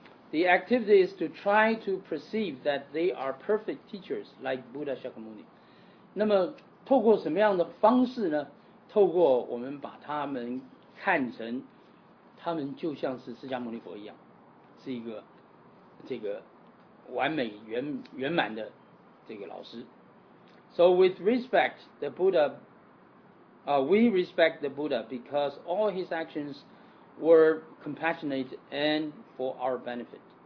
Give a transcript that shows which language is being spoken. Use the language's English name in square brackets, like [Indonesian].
[English] The activity is to try to perceive that they are perfect teachers like Buddha Shakyamuni。 [Chinese] 那么透过什么样的方式呢？透过我们把他们看成他们就像是释迦牟尼佛一样，是一个这个完美圆满的这个老师。 [English] So with respect the Buddha, we respect the Buddha because all his actions were compassionate and for our benefit.